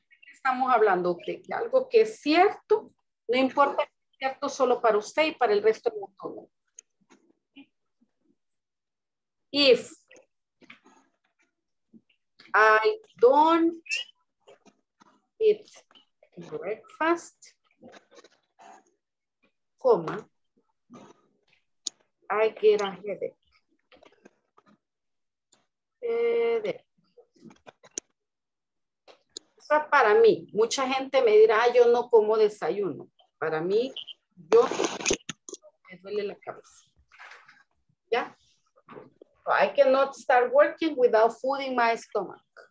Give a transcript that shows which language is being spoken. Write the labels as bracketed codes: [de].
[es] Estamos hablando de algo que es cierto, no importa si es cierto solo para usted y para el resto del mundo. [en] If I don't eat breakfast, comma, I get a headache. [es] O sea, para mí, mucha gente me dirá, yo no como desayuno. Para mí, yo me duele la cabeza. ¿Ya? [en] I cannot start working without food in my stomach.